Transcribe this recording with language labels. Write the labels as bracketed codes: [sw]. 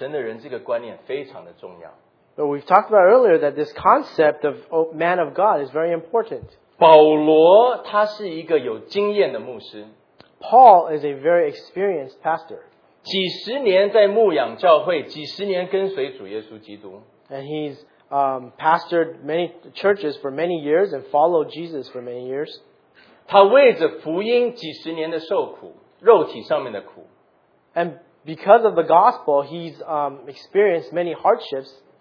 [zh] 我们刚刚讲到这个属神的人这个观念非常的重要。 [en] But we've talked about earlier that this concept of man of God is very important. [zh] 保罗他是一个有经验的牧师。 [en] Paul is a very experienced pastor. [zh] 几十年在牧养教会，几十年跟随主耶稣基督。 [en] And he's pastored many churches for many years and followed Jesus for many years. [zh] 他为着福音几十年的受苦，肉体上面的苦。 [en] And because of the gospel, he's experienced many hardships.